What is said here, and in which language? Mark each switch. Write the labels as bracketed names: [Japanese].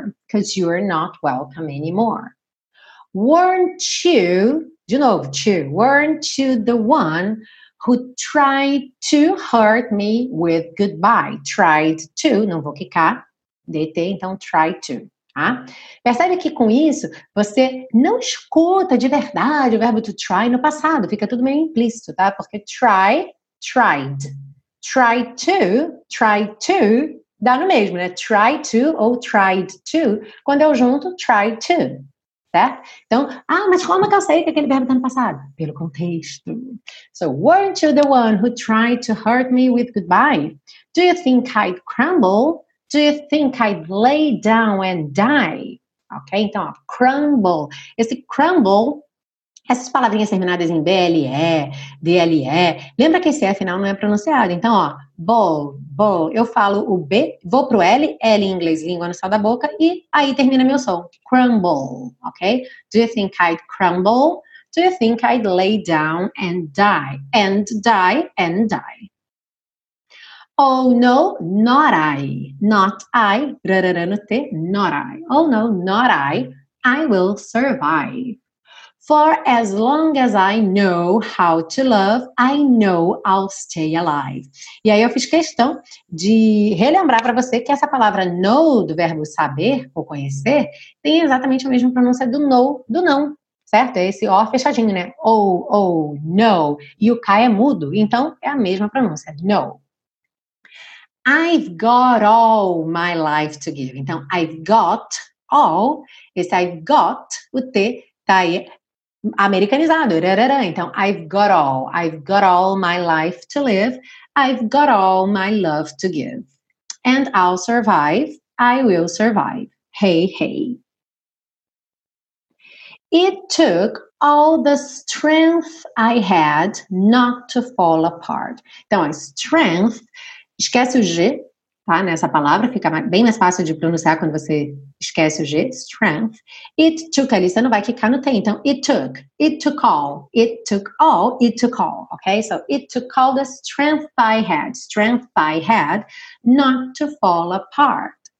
[English] Cause you're not welcome anymore. Weren't you the one who tried to hurt me with goodbye? Tried to. [Portuguese] Não vou quicar. DT, então [English] try to. [Portuguese] Tá? Percebe que com isso, você não escuta de verdade o verbo to try no passado. Fica tudo meio implícito, tá? Porque try, tried. Try to, dá no mesmo, né? [English] Try to [Portuguese] ou [English] tried to. [Portuguese] Quando eu junto, [English] try to. [Portuguese] Certo? Então, mas como que eu sei que aquele verbo tá no passado? Pelo contexto. [English] So, weren't you the one who tried to hurt me with goodbye? Do you think I'd crumble? Do you think I'd lay down and die? [Portuguese] Ok, então, ó, crumble. Esse crumble, essas palavrinhas terminadas em BLE, DLE, lembra que esse F final não é pronunciado. Então, ó, bowl, eu falo o B, vou pro L, L em inglês, língua no céu da boca, e aí termina meu som, crumble, ok? [English] Do you think I'd crumble? Do you think I'd lay down and die? And die. Oh, no, not I. Not I. Not I. Oh, no, not I. I will survive. For as long as I know how to love, I know I'll stay alive. [Portuguese] E aí eu fiz questão de relembrar para você que essa palavra know, do verbo saber ou conhecer, tem exatamente a mesma pronúncia do know, do não. Certo? É esse O fechadinho, né? Oh, no. E o K é mudo. Então, é a mesma pronúncia. [English] No. I've got all my life to give. [Portuguese] Então, [English] I've got all. [Portuguese] Esse I've got, o T, tá aí americanizado. Então, [English] I've got all my life to live. I've got all my love to give. And I'll survive. I will survive. Hey. It took all the strength I had not to fall apart. [Portuguese] Então, strength. Esquece o G, tá? Nessa palavra, fica bem mais fácil de pronunciar quando você esquece o G. Strength. [English] It took, [Portuguese] ali você não vai quicar no T. Então, [English] it took all, ok? So, it took all the strength I had, not to fall apart.